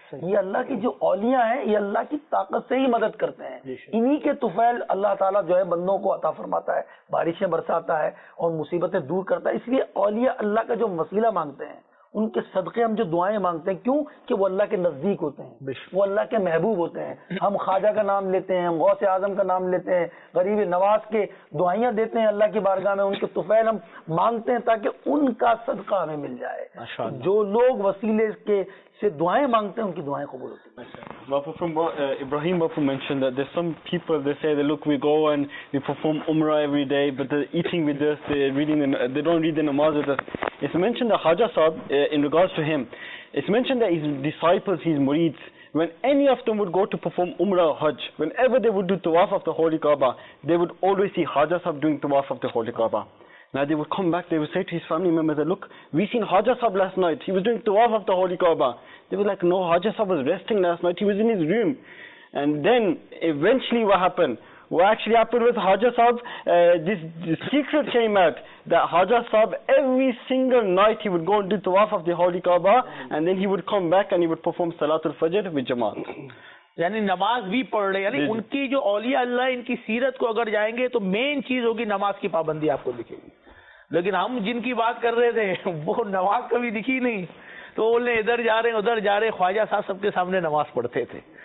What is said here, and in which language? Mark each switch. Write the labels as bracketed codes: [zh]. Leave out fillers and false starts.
[ur] یہ اللہ کی جو اولیاں ہیں یہ اللہ کی طاقت سے ہی مدد کرتے ہیں, انہی کے طفیل اللہ تعالیٰ جو ہے بندوں کو عطا فرماتا ہے, بارشیں برساتا ہے اور مصیبتیں دور کرتا ہے. اس لیے اولیاء اللہ کا جو وسیلہ مانگتے ہیں, ان کے صدقے ہم جو دعائیں مانگتے ہیں, کیوں؟ کہ وہ اللہ کے نزدیک ہوتے ہیں, وہ اللہ کے محبوب ہوتے ہیں. ہم خواجہ کا نام لیتے ہیں, ہم غوث اعظم کا نام لیتے ہیں, غریب نواز کے دعائیں دیتے ہیں اللہ کی بارگاہ میں, ان کے طفیل ہم مانگتے ہیں تاکہ ان کا صدقہ ہمیں مل جائے. جو لوگ وسیلے کے سے دعائیں مانگتے ہیں ان کی دعائیں قبول ہوتی ہیں. [en] Bapu, from Ibrahim Bapu mentioned that there's some people, they say that look, we go and we perform Umrah every day, but they're eating with us, they're reading, they don't read the namaz with us. It's mentioned that Khwaja Sahib, in regards to him, it's mentioned that his disciples, his murids, when any of them would go to perform Umrah or Hajj, whenever they would do Tawaf of the Holy Kaaba, they would always see Khwaja Sahib doing Tawaf of the Holy Kaaba. Now they would come back, they would say to his family members, look, we seen Khwaja Sahib last night, he was doing Tawaf of the Holy Kaaba. They were like, no, Khwaja Sahib was resting last night, he was in his room. And then eventually what happened? What actually happened was Khwaja Sahib, this secret came out that Khwaja Sahib, every single night he would go and do Tawaf of the Holy Kaaba, and then he would come back and he would perform Salatul Fajr with Jamaat. [ur] یعنی نماز بھی پڑھ رہے ہیں, یعنی ان کی جو اولیاء اللہ ان کی سیرت کو اگر جائیں گے تو مین چیز ہوگی نماز کی پابندی آپ کو دکھے گی. لیکن ہم جن کی بات کر رہے تھے وہ نماز کبھی دکھی نہیں, تو بولنے ادھر جا رہے ہیں ادھر جا رہے ہیں, خواجہ صاحب سب کے سامنے نماز پڑھتے تھے.